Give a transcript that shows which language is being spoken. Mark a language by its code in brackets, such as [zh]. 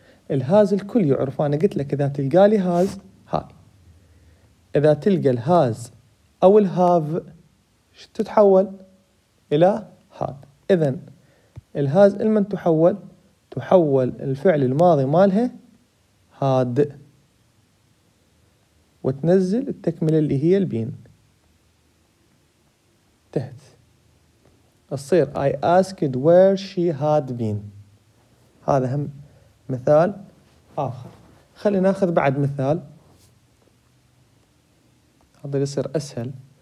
[ar] الهاز الكل يعرف، أنا قلت لك إذا تلقى لي هاز، هاي إذا تلقى الهاز أو الهاف تتحول إلى هاد. إذن الهاز المن تحول؟ تحول الفعل الماضي مالها هاد، وتنزل التكملة اللي هي البين. تهت الصير [en] I asked where she had been. [ar] هذا هم مثال آخر. خلينا نأخذ بعد مثال، هذا يصير أسهل.